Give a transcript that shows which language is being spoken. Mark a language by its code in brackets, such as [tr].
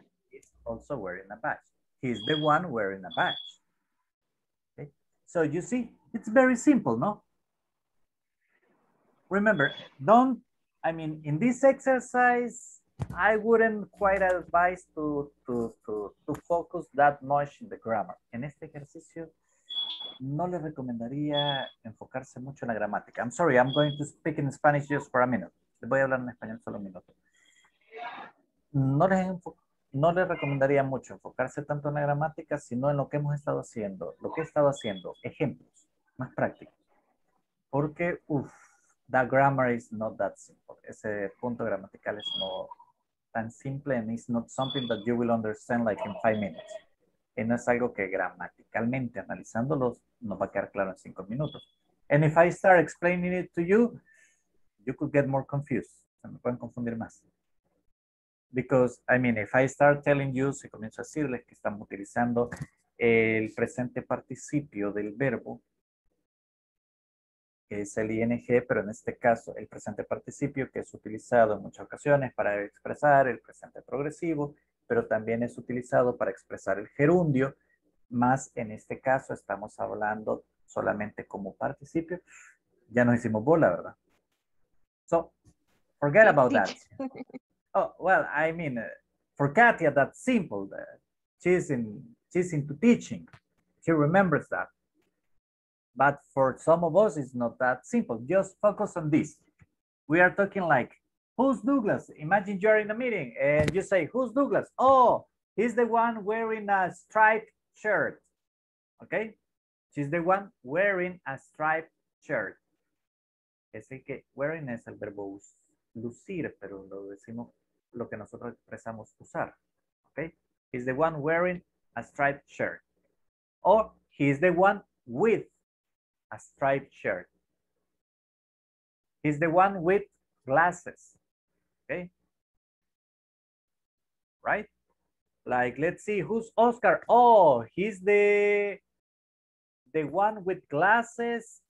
[en] He's also wearing a badge. He's the one wearing a badge. Okay. So you see, it's very simple, no? Remember, in this exercise, I wouldn't quite advise to focus that much in the grammar. [es] En este ejercicio, no le recomendaría enfocarse mucho en la gramática. [en] I'm sorry, I'm going to speak in Spanish just for a minute. [es] Le voy a hablar en español solo un minuto. No le recomendaría mucho enfocarse tanto en la gramática, sino en lo que hemos estado haciendo. Lo que he estado haciendo, ejemplos, más prácticos. Porque, [en] that grammar is not that simple. [es] Ese punto gramatical es no tan simple [en] and it's not something that you will understand like in 5 minutes. [es] Y no es algo que gramaticalmente analizándolos nos va a quedar claro en 5 minutos. [en] And if I start explaining it to you, you could get more confused. [es] Se me pueden confundir más. [en] Because, if I start telling you, [es] si comienzo a decirles que estamos utilizando el presente participio del verbo, que es el ing, pero en este caso el presente participio que es utilizado en muchas ocasiones para expresar el presente progresivo, pero también es utilizado para expresar el gerundio, más en este caso estamos hablando solamente como participio. Ya nos hicimos bola, ¿verdad? [en] So, forget about that. Oh, well, for Katia, that's simple. She's into teaching. She remembers that. But for some of us, it's not that simple. Just focus on this. We are talking like, who's Douglas? Imagine you're in a meeting and you say, who's Douglas? Oh, he's the one wearing a striped shirt. Okay? She's the one wearing a striped shirt. [es] Es decir que wearing es el verbo lucir, pero lo decimos lo que nosotros expresamos usar. [en] Okay? He's the one wearing a striped shirt. Or he's the one with a striped shirt. He's the one with glasses. Okay. Right? Like, let's see, who's Oscar? Oh, he's the one with glasses.